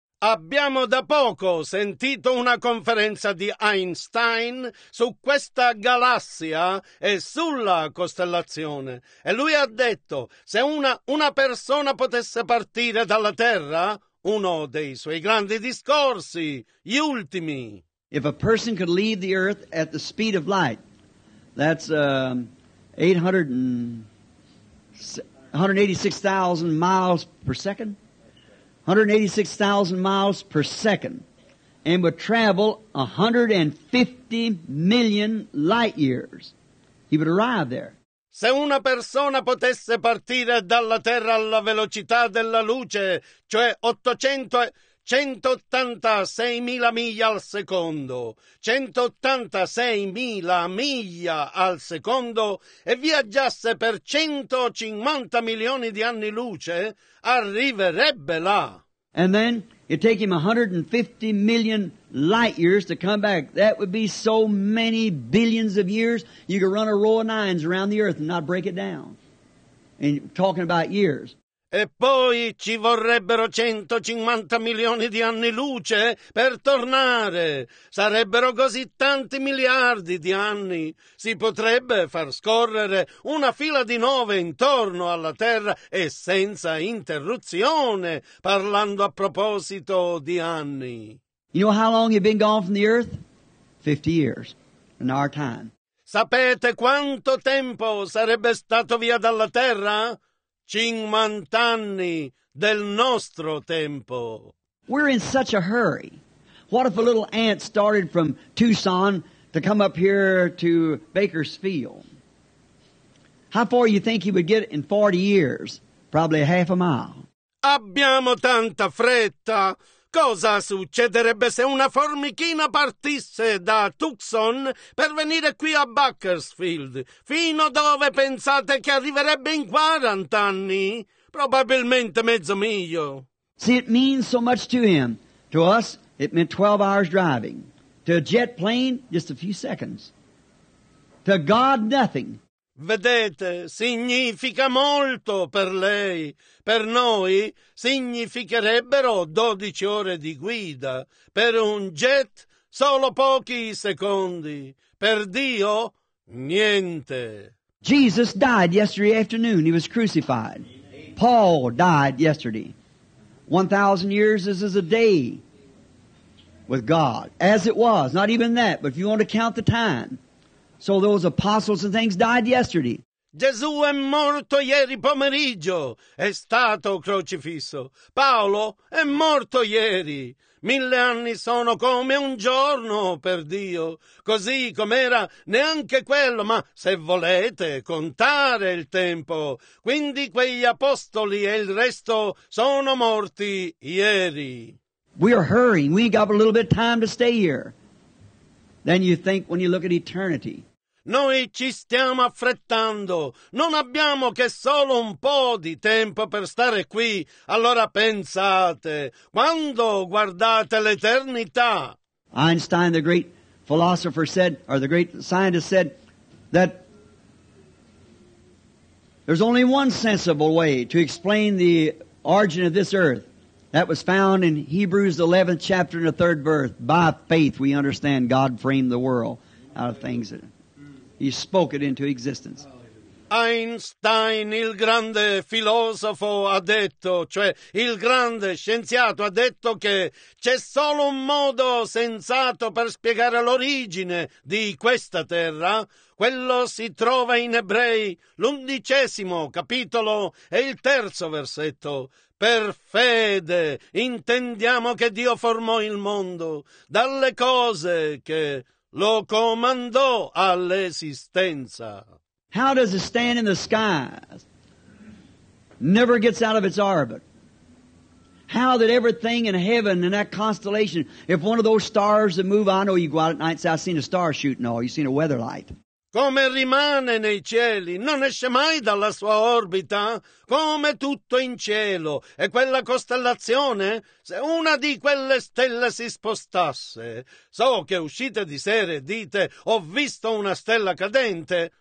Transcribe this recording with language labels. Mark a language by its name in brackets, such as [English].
[Italian] Abbiamo da poco sentito una conferenza di Einstein su questa galassia e sulla costellazione. E lui ha detto, se una persona potesse partire dalla Terra, uno dei suoi grandi discorsi, gli ultimi. [English] If a person could leave the Earth at the speed of light, that's 186,000 miles per second. 186,000 miles per second, and would travel 150 million light years. He would arrive there. [Italian] Se una persona potesse partire dalla Terra alla velocità della luce, cioè 186,000 miglia al secondo, 186,000 miglia al secondo, e viaggiasse per 150 milioni di anni luce, arriverebbe là. [English] And then it'd take him 150 million light years to come back. That would be so many billions of years, you could run a row of nines around the earth and not break it down. And talking about years. [Italian] E poi ci vorrebbero 150 milioni di anni luce per tornare. Sarebbero così tanti miliardi di anni. Si potrebbe far scorrere una fila di nove intorno alla Terra e senza interruzione, parlando a proposito di anni. [English] You know how long you've been gone from the Earth? 50 years in our time. [Italian] Sapete quanto tempo sarebbe stato via dalla Terra? 50 anni del nostro tempo. [English] We're in such a hurry. What if a little ant started from Tucson to come up here to Bakersfield? How far you think he would get in 40 years? Probably half a mile. [Italian] Abbiamo tanta fretta. Cosa succederebbe se una formichina partisse da Tucson per venire qui a Bakersfield? Fino dove pensate che arriverebbe in 40 anni? Probabilmente mezzo miglio. [English] See, it means so much to him. To us, it meant 12 hours driving. To a jet plane, just a few seconds. To God, nothing. [Italian] Vedete, significa molto per lei. Per noi significherebbero 12 ore di guida. Per un jet, solo pochi secondi. Per Dio, niente. [English] Jesus died yesterday afternoon. He was crucified. Paul died yesterday. 1,000 years is a day with God. As it was, not even that, but if you want to count the time. So those apostles and things died yesterday. [Italian] Gesù è morto ieri pomeriggio. È stato crocifisso. Paolo è morto ieri. Mille anni sono come un giorno per Dio. Così com'era neanche quello, ma se volete contare il tempo. Quindi quegli apostoli e il resto sono morti ieri. [English] We are hurrying. We got a little bit of time to stay here. Then you think when you look at eternity. [Italian] Noi ci stiamo affrettando. Non abbiamo che solo un po' di tempo per stare qui. Allora pensate, quando guardate l'eternità. [English] Einstein, the great philosopher said, or the great scientist said, that there's only one sensible way to explain the origin of this earth. That was found in Hebrews 11th chapter and the 3rd verse. By faith we understand God framed the world out of things that He spoke it into existence. [Italian] Einstein, il grande filosofo, ha detto, cioè il grande scienziato, ha detto che c'è solo un modo sensato per spiegare l'origine di questa terra. Quello si trova in Ebrei, l'11° capitolo e il 3° versetto. Per fede intendiamo che Dio formò il mondo dalle cose che lo comandò all'esistenza. [English] How does it stand in the skies? Never gets out of its orbit. How that everything in heaven and that constellation, if one of those stars that move, I know you go out at night and say, I've seen a star shooting, no, you've seen a weather light. [Italian] Come rimane nei cieli, non esce mai dalla sua orbita, come tutto in cielo. E quella costellazione, se una di quelle stelle si spostasse, so che uscite di sera e dite, ho visto una stella cadente.